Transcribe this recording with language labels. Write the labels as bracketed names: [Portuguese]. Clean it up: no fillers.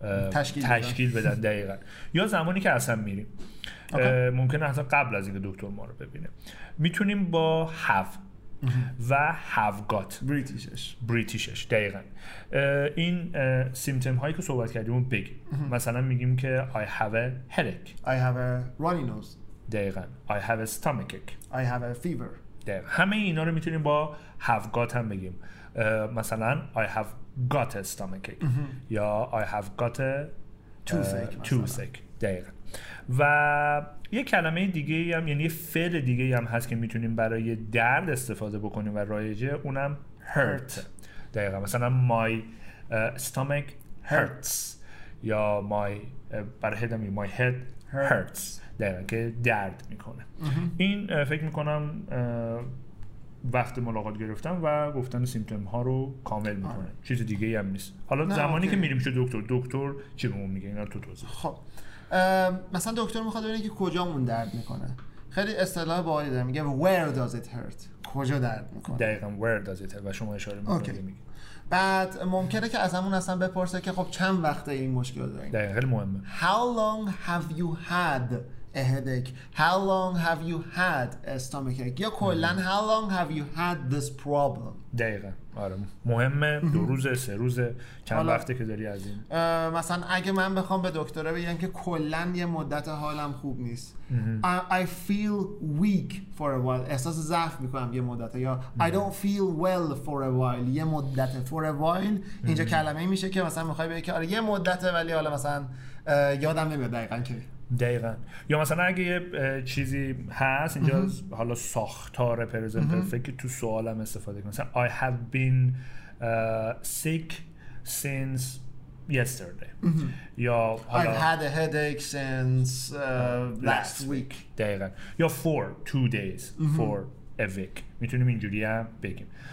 [Persian] تشکیل بدن. دقیقا. یا زمانی که اصلا میریم ممکنه اصلا قبل از اینکه دکتر ما رو ببینه، میتونیم با have و have got بریتیشش دقیقا این سیمتم هایی که صحبت کردیم بگیم. مثلا میگیم که [English] I have a headache، I have a runny nose، [Persian] دقیقا، [English] I have a stomachache، I have a fever. [Persian] دقیقا. همه اینا رو میتونیم با have got هم بگیم. مثلا [English] I have got a stomachache یا I have got a toothache. [Persian] دقیقا. و یه کلمه دیگه هم، یعنی یه فعل دیگه هم هست که میتونیم برای درد استفاده بکنیم و رایجه، اونم hurt. دقیقا. مثلا [English] my stomach hurts یا my head hurts. [Persian] دقیقا، که درد میکنه. این فکر میکنم وقت ملاقات گرفتن و گفتن سیمتوم ها رو کامل میکنه. چیز دیگه هم نیست. حالا زمانی که میریم شد دکتر چی بهمون میگه؟ اینا تو توضیح. خب مثلا دکتر میخواد ببینه که کجامون درد میکنه. خیلی اصطلاح باحالی داره، میگه [English] where does it hurt، [Persian] کجا درد میکنه. دقیقاً [English] where does it hurt، [Persian] و شما اشاره میکنید. بعد ممکنه که ازمون اصلا بپرسه که خب چند وقته این مشکل داری؟ دقیقاً، خیلی مهمه. [English] How long have you had a headache؟ How long have you had a stomachache؟ [Persian] یا کلاً [English] how long have you had this problem؟ [Persian] دقیقاً. آره مهمه، دو روزه، سه روزه، چند وقته که داری از این. مثلا اگه من بخوام به دکتره بگم که کلن یه مدت حالم خوب نیست، [English] I feel weak for a while، [Persian] احساس ضعف میکنم یه مدت، یا [English] I don't feel well for a while، [Persian] یه مدت، for a while اینجا کلمه ای میشه که مثلا میخوای بگی که آره یه مدت ولی حالا مثلا یادم نمیاد دقیقاً که. دقیقاً. یا مثلا اگه یه چیزی هست اینجا، حالا ساختار پرزنت پرفکت تو سوالم استفاده کنم، مثلا [English] I have been sick since yesterday، [Persian] یا حالا [English] I've had a headache since last week. [Persian] دقیقاً. [English] یا for 2 days، for a week، [Persian] میتونیم اینجوری هم بگیم.